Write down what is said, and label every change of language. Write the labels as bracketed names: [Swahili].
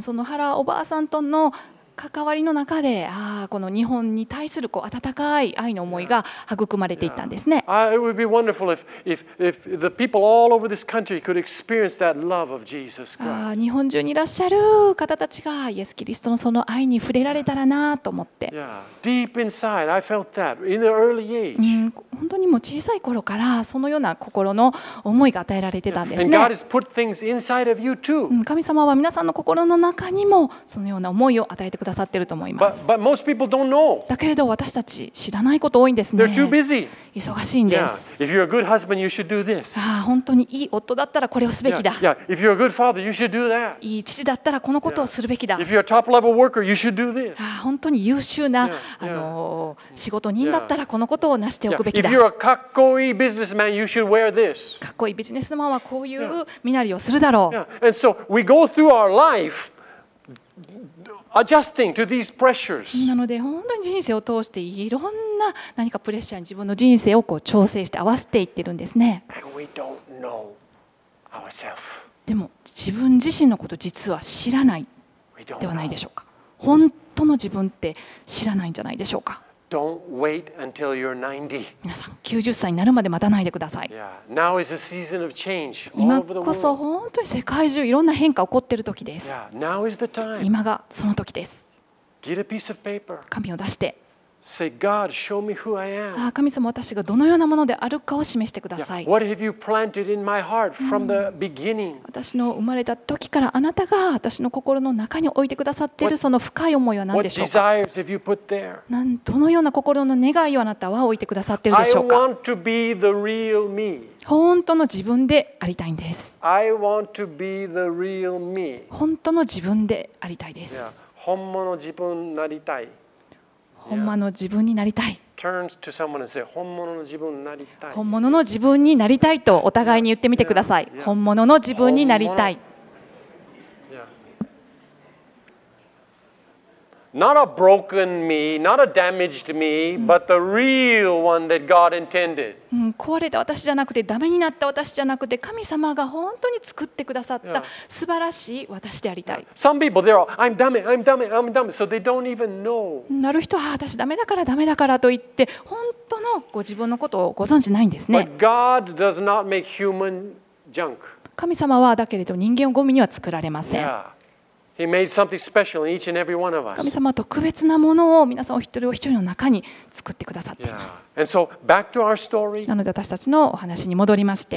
[Japanese] そのハラおばあさんとの関わりの中で、ああこの日本に対するこう温かい愛の思いが育まれていったんですね。 [English] It would be wonderful if the people all over this country could experience that love of Jesus Christ. [Japanese] 日本中にいらっしゃる方たちがイエスキリストのその愛に触れられたらなと思って。 [English] Deep inside, I felt that in the early age. [Japanese] 本当にもう小さい頃からそのような心の思いが与えられてたんですね。 [English] And God has put things inside of you too. [Japanese] 神様は皆さんの心の中にもそのような思いを与えてくださってると思います。 [English] But most people don't know. [Japanese] だけれど私たち知らないこと多いんですね。 [English] They're too busy. [Japanese] 忙しいんです。 [English] Yeah. If you're a good husband, you should do this. [Japanese] 本当にいい夫だったらこれをすべきだ。 [English] Yeah. If you're a good father, you should do that. [Japanese] いい父だったらこのことをするべきだ。 [English] If you're a top level worker, you should do this. [Japanese] 本当に優秀な仕事人だったらこのことを成しておくべきだ。 [English] If you're a [Japanese] かっこいいビジネスマン、 [English] you should wear this. [Japanese] かっこいいビジネスマンはこういう身なりをするだろう。 [English] And so we go through our life. Adjusting to these pressures. [Japanese] なので本当に人生を通していろんな何かプレッシャーに自分の人生をこう調整して合わせていってるんですね。 [English] And we don't know ourselves. [Japanese] でも自分自身のこと実は知らないではないでしょうか。本当の自分って知らないんじゃないでしょうか。 [English] Don't wait until you're 90. [Japanese] 皆さん、90歳になるまで待たないでください。 [English] Now is a season of change. [Japanese] 今こそ本当に世界中いろんな変化起こっている時です。 [English] Now is the time. [Japanese] 今がその時です。 [English] Get a piece of paper. [Japanese] 紙を出して。 [English] Say, God, show me who I am. [Japanese] 神様、私がどのようなものであるかを示してください。 [English] What have you planted in my heart from the beginning? [Japanese] 私の生まれた時からあなたが私の心の中に置いてくださっているその深い思いは何でしょうか? [English] What desires have you put there? [Japanese] どのような心の願いをあなたは置いてくださっているでしょうか? [English] I want to be the real me. [Japanese] 本当の自分でありたいんです。 [English] I want to be the real me. [Japanese] 本当の自分でありたいです。本物の自分になりたい。本物の自分になりたい。 [English] Turns to someone and say, [Japanese] 本物の自分になりたい。本物の自分になりたいとお互いに言ってみてください。本物の自分になりたい。 [English] Not a broken me, not a damaged me, but the real one that God intended. [Japanese] 壊れた私じゃなくて、ダメになった私じゃなくて、神様が本当に作ってくださった素晴らしい私でありたい。 [English] Some people, they're all, I'm dumb, so they don't even know. [Japanese] なる人は、私ダメだからと言って、本当のご自分のことをご存じないんですね。 [English] But God does not make human junk. [Japanese] 神様はだけれど人間をゴミには作られません。 [English] He made something special in each and every one of us. [Japanese] 神様は特別なものを皆さんお一人お一人の中に作ってくださっています。 [English] Yeah. And so, back to our story. [Japanese] なので私たちのお話に戻りまして。